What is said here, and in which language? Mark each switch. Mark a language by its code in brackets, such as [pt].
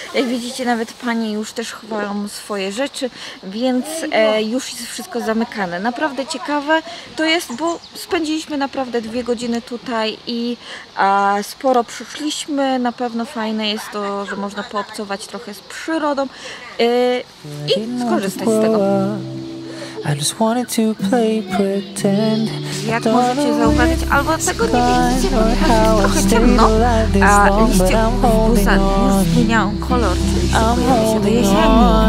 [pl] Jak widzicie, nawet panie już też chowają swoje rzeczy, więc już jest wszystko zamykane. Naprawdę ciekawe to jest, bo spędziliśmy naprawdę 2 godziny tutaj i sporo przyszliśmy. Na pewno fajne jest to, że można poobcować trochę z przyrodą i skorzystać z tego. [en] I just wanted to play pretend. [pl] Jak możecie zauważyć, albo tego nie widzicie, bo trochę ciemno, a liście w busach już zmieniają kolor, czyli szykuje się do jesieni.